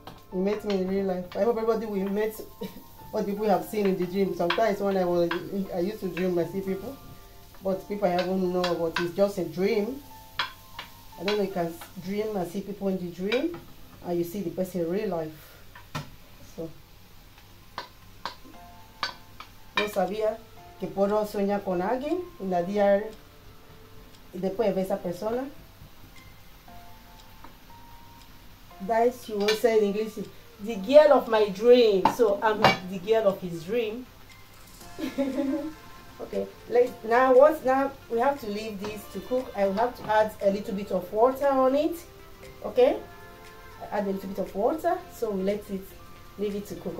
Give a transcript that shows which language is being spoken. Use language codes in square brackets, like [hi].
[en] He met me in real life. I hope everybody will meet what people have seen in the dream. Sometimes when I used to dream, I see people. But people I haven't known, but it's just a dream. I don't know, you can dream and see people in the dream, and you see the person in real life. [es] So, no sabía que puedo soñar con alguien en la diaria y después ver esa persona. [en] That's what you say in English, the girl of my dream. So I'm the girl of his dream. Okay, now we have to leave this to cook. I will have to add a little bit of water on it. Okay, add a little bit of water, so we leave it to cook.